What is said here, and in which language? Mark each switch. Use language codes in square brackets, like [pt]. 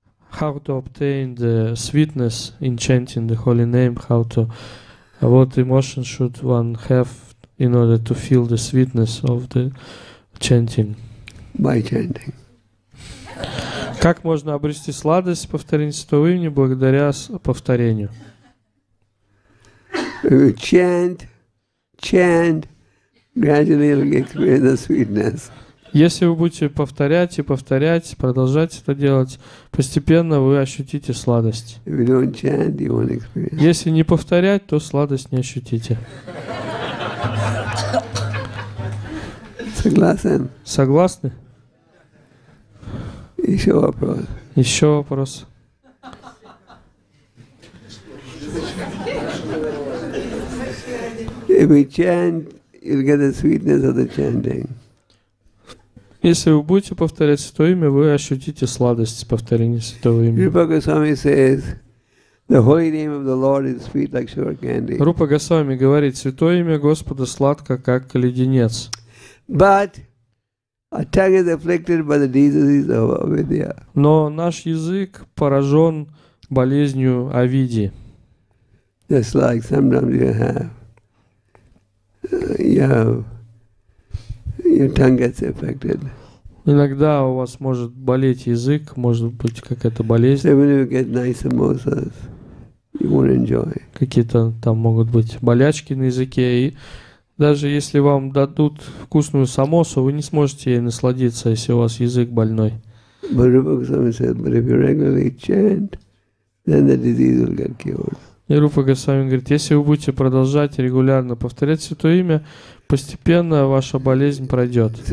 [en] how to obtain the sweetness in chanting the holy name, how to what emotion should one have in order to feel the sweetness of the chanting. By chanting. [ru] Как можно обрести сладость повторения святого имени благодаря повторению? [en] Chant, gradually you'll experience the sweetness. [ru] Если вы будете повторять и повторять, продолжать это делать, постепенно вы ощутите сладость. [en] If you don't chant, you won't experience. [ru] Если не повторять, то сладость не ощутите. Согласен? Согласны? Еще вопрос. Еще вопрос. [en] If we chant, you'll get the sweetness of the chanting. [ru] Если вы будете повторять Святое Имя, вы ощутите сладость повторения Святого Имени. [en] Rupa Goswami says, the holy name of the Lord is sweet like sugar candy. [ru] Rupa Goswami говорит, Святое Имя Господа сладко, как леденец. [en] But our tongue is afflicted by the diseases of Avidya. [ru] Но наш язык поражен болезнью Авиди. [en] Just like sometimes you have your tongue gets affected. [ru] Иногда у вас может болеть язык, может быть какая-то болезнь. [en] Even if you get nice samosas, you won't enjoy. [ru] Какие-то там могут быть болячки на языке, и даже если вам дадут вкусную самосу, вы не сможете ей насладиться, если у вас язык больной. [en] But Rupa Goswami said, but if you regularly chant, then the disease will get cured. [ru] И Рупа Госвами говорит, если вы будете продолжать регулярно повторять Святое Имя, постепенно ваша болезнь пройдет.